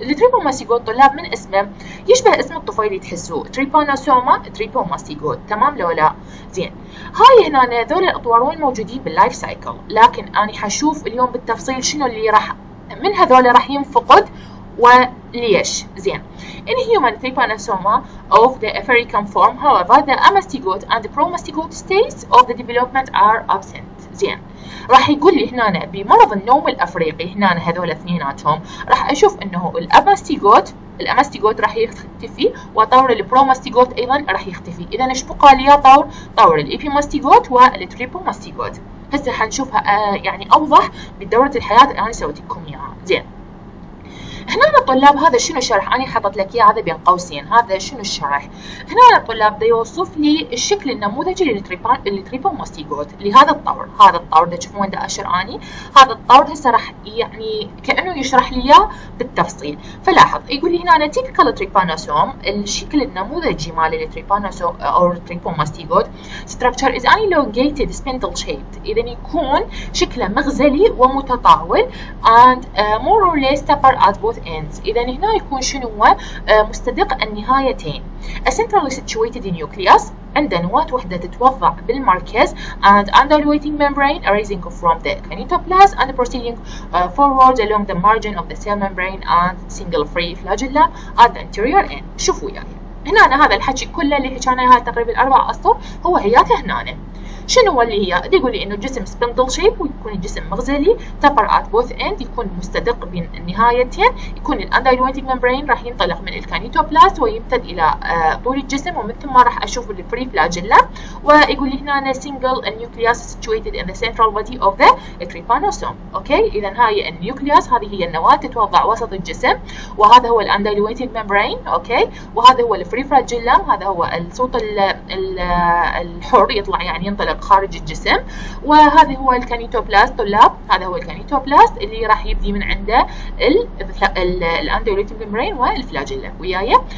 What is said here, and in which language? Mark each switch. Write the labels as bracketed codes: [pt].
[ar] التريبوماستيغوت طلاب من اسمه يشبه اسم الطفيلي، تحسوه تريبانوسوما تريبوماستيغوت، تمام لو لا؟ زين، هاي هنا هذول الاطوار وين موجودين باللايف سايكل، لكن انا حشوف اليوم بالتفصيل شنو اللي راح من هذول راح ينفقد وليش. [en] زين، in human trypanosoma of the African form, however, the amastigote and the promastigote states of the development are absent. [ar] زين، راح يقول لي هنا بمرض النوم الافريقي، هنا هذول اثنيناتهم راح اشوف انه الامستيغوت، الامستيغوت راح يختفي، وطور البروماستيغوت ايضا راح يختفي. اذا ايش بقى لي؟ طور الايبيماستيغوت والتريبوماستيغوت. هسه حنشوفها يعني اوضح بدوره الحياه اللي انا سويت لكم اياها. زين، هنا الطلاب هذا شنو شرح؟ انا حطيت لك اياه هذا بين قوسين، هذا شنو الشرح؟ هنا الطلاب بده يوصف لي الشكل النموذجي للتريبوماستيغوت لهذا الطور، هذا الطور اللي تشوفون ده اشر اني، هذا الطور هسه راح يعني كانه يشرح لي اياه بالتفصيل. فلاحظ يقول لي هنا تيبيكال تريبانوسوم، الشكل النموذجي مال التريبانوسوم او التريبوماستيغوت [en] structure is an elongated spindle shaped, [ar] اذا يكون شكله مغزلي ومتطاول [en] And more or less taper both ends. [ar] اذا هنا يكون شنو هو؟ مستدق النهايتين. [en] A centrally situated nucleus [ar] عند نواة وحدة تتوضع بالمركز [en] and undulating membrane arising from the kinetoplast and proceeding forward along the margin of the cell membrane and single free flagella at the anterior end. [ar] شوفوا يعني هنا أنا هذا الحكي كله اللي حكينا هاي تقريبا الاربع اسطر هو هياته هنا. شنو اللي هي؟ دي يقول لي انه جسم spindle shape، ويكون الجسم مغزلي تبر [en] at both end، [ar] يكون مستدق بين النهايتين، يكون الاندايلويتنج ممبرين راح ينطلق من الكانيتوبلاست ويمتد الى طول الجسم، ومن ثم راح اشوف البري فلاجيلا. ويقول لي هنا [en] single nucleus situated in the central body of the trypanosome. [ar] اوكي، اذا هاي النيوكلياس، هذه هي النواه تتوضع وسط الجسم، وهذا هو الاندايلويتنج ممبرين، اوكي، وهذا هو الفري فلاجيلا، هذا هو الصوت الحر يطلع يعني ينطلق خارج الجسم، وهذا هو الكانيتوبلاست طلاب، هذا هو الكانيتوبلاست اللي راح يبدي من عنده الاندوليتنج ميمبرين والفلاجيلا وياي.